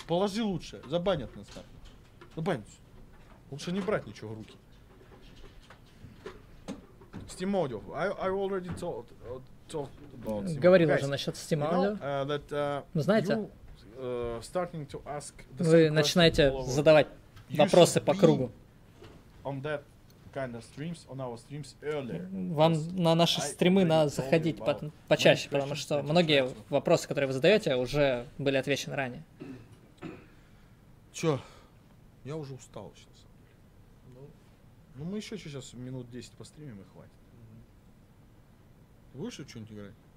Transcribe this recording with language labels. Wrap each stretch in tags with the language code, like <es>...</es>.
<ru>Положи лучше, забанят нас там. Забанят. Лучше не брать ничего в руки.</ru> <en>Steam Audio. I already talked about Steam.</en> <ru>Говорил уже насчет Steam Audio.</ru> <en>You know,</en> <ru>знаете,</ru> <en>starting to ask the same.</en> <ru>Вы начинаете задавать вопросы по кругу.</ru> <en>On that kind of streams, on our streams earlier.</en> <ru>Вам на наши стримы надо заходить почаще, потому что многие вопросы, которые вы задаете, уже были отвечены ранее. Чё? Я уже устал сейчас. Ну мы еще сейчас минут 10 постримим и хватит. Будешь что-нибудь играть?</ru>